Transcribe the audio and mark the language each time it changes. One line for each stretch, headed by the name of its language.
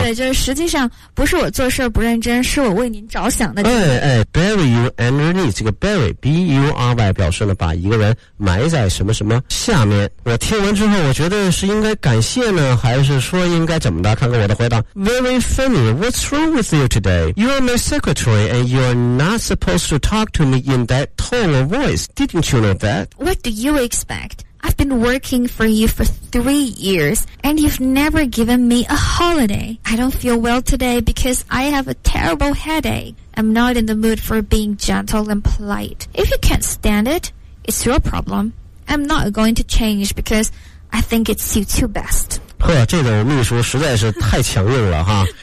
Chinese: 对，就是实际上不是我做事不认真，是我为您着想的。哎哎 ，
English: bury you underneath，
Chinese: 这个 bury b u r y 表示呢，把一个人埋在什么什么下面。我听完之后，我觉得是应该感谢呢，还是说应该怎么的？看看我的回答。
English: Very funny. What's wrong with you today? You are my secretary, and you are not supposed to talk to me in that tone of voice. Didn't you know that? What do you expect? I've been working for you for 3 years, and you've never given me a holiday. I don't feel well today because I have a terrible headache. I'm not in the mood for being gentle and polite. If you can't stand it, it's your problem. I'm not going to change because I think it suits you best.
Chinese: 呵，这种秘书实在是太强硬了哈。